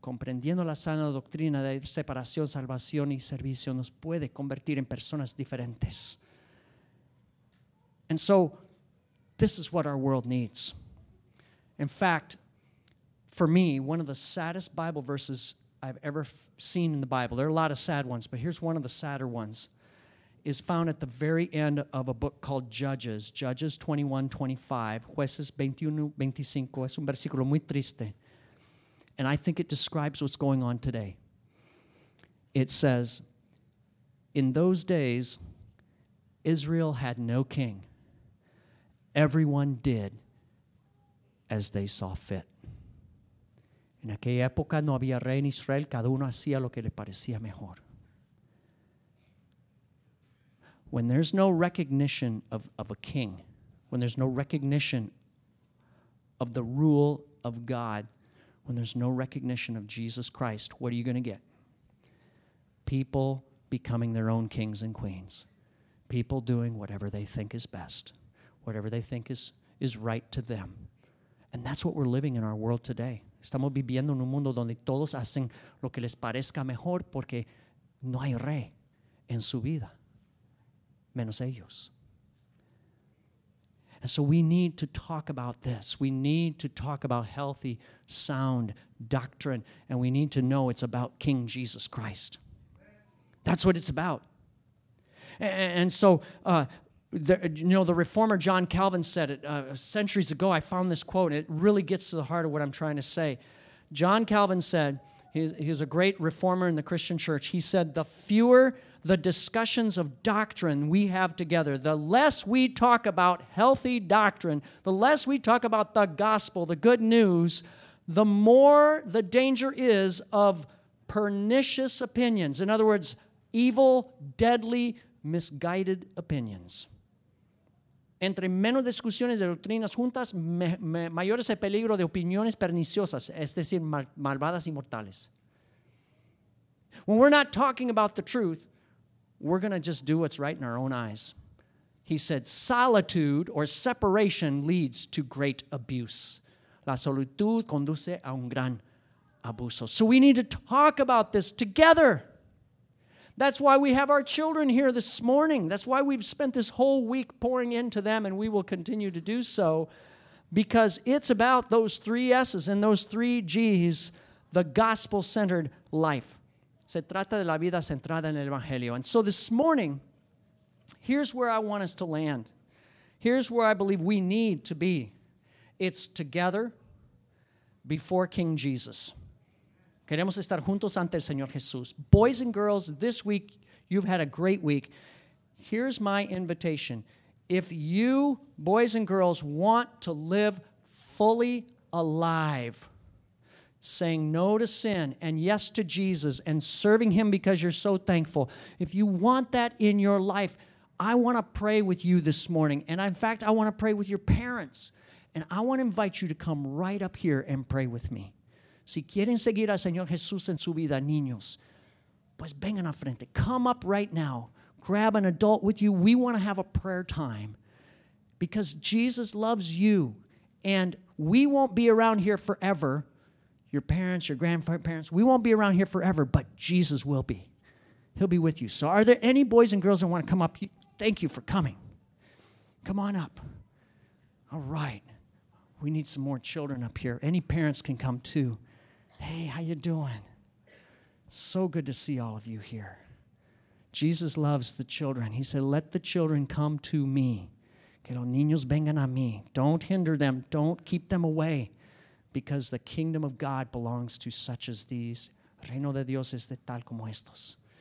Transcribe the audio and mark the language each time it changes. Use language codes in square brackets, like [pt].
[es] Comprendiendo la sana doctrina de separación, salvación y servicio nos puede convertir en personas diferentes. [en] And so, this is what our world needs. In fact, for me, one of the saddest Bible verses I've ever seen in the Bible, there are a lot of sad ones, but here's one of the sadder ones, is found at the very end of a book called Judges, Judges 21:25, [es] Jueces 21:25, es un versículo muy triste. [en] And I think it describes what's going on today. It says, in those days, Israel had no king. Everyone did as they saw fit. [es] En aquella época no había rey en Israel. Cada uno hacía lo que le parecía mejor. [en] When there's no recognition of a king, when there's no recognition of the rule of God, when there's no recognition of Jesus Christ, what are you going to get? People becoming their own kings and queens. People doing whatever they think is best, whatever they think is right to them. And that's what we're living in our world today. [es] Estamos viviendo en un mundo donde todos hacen lo que les parezca mejor porque no hay rey en su vida, menos ellos. [en] And so we need to talk about this. We need to talk about healthy, sound doctrine. And we need to know it's about King Jesus Christ. That's what it's about. And so, the reformer John Calvin said it centuries ago. I found this quote. And it really gets to the heart of what I'm trying to say. John Calvin said, he's a great reformer in the Christian church. He said, the fewer the discussions of doctrine we have together, the less we talk about healthy doctrine, the less we talk about the gospel, the good news, the more the danger is of pernicious opinions. In other words, evil, deadly, misguided opinions. [es] Entre menos discusiones de doctrinas juntas, mayor es el peligro de opiniones perniciosas, es decir, malvadas y mortales. [en] When we're not talking about the truth, we're going to just do what's right in our own eyes. He said, solitude or separation leads to great abuse. [es] La solitud conduce a un gran abuso. [en] So we need to talk about this together. That's why we have our children here this morning. That's why we've spent this whole week pouring into them, and we will continue to do so, because it's about those three S's and those three G's, the gospel-centered life. [es] Se trata de la vida centrada en el Evangelio. [en] And so this morning, here's where I want us to land. Here's where I believe we need to be. It's together before King Jesus. [es] Queremos estar juntos ante el Señor Jesús. [en] Boys and girls, this week, you've had a great week. Here's my invitation. If you, boys and girls, want to live fully alive, saying no to sin and yes to Jesus and serving him because you're so thankful, if you want that in your life, I want to pray with you this morning. And in fact, I want to pray with your parents. And I want to invite you to come right up here and pray with me. [es] Si quieren seguir al Señor Jesús en su vida, niños, pues vengan a frente. [en] Come up right now. Grab an adult with you. We want to have a prayer time because Jesus loves you and we won't be around here forever. Your parents, your grandparents, we won't be around here forever, but Jesus will be. He'll be with you. So are there any boys and girls that want to come up? Thank you for coming. Come on up. All right. We need some more children up here. Any parents can come too. Hey, how you doing? So good to see all of you here. Jesus loves the children. He said, let the children come to me. [es] Que los niños vengan a mí. [en] Don't hinder them. Don't keep them away. Because the kingdom of God belongs to such as these. [es] Reino de Dios es de tal como estos.